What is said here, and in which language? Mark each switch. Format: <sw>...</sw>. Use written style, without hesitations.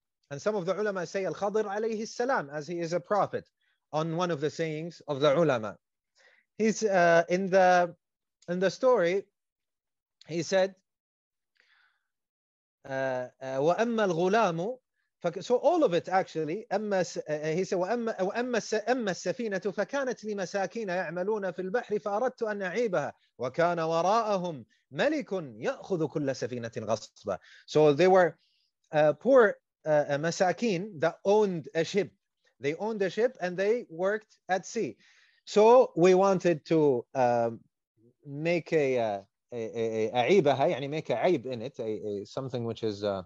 <en>And some of the ulama say Al-Khadr alayhi salam, as he is a prophet, on one of the sayings of the ulama. He's in the story, he said,</en> <ar>وَأَمَّا الْغُلَامُ.</ar> <en>So all of it actually, he said,</en> <ar>وَأَمَّا السَّفِينَةُ فَكَانَتْ لِمَسَاكِينَ يَعْمَلُونَ فِي الْبَحْرِ فَأَرَدْتُ أَنْ أَعِيبَهَا وَكَانَ وَرَاءَهُمْ مَلِكٌ يَأْخُذُ كُلَّ سَفِينَةٍ غَصْبًا.</ar> <en>So they were poor masakin that owned a ship. They owned a ship and they worked at sea. So we wanted to make a يعني make a عيب in it, something which is...</en>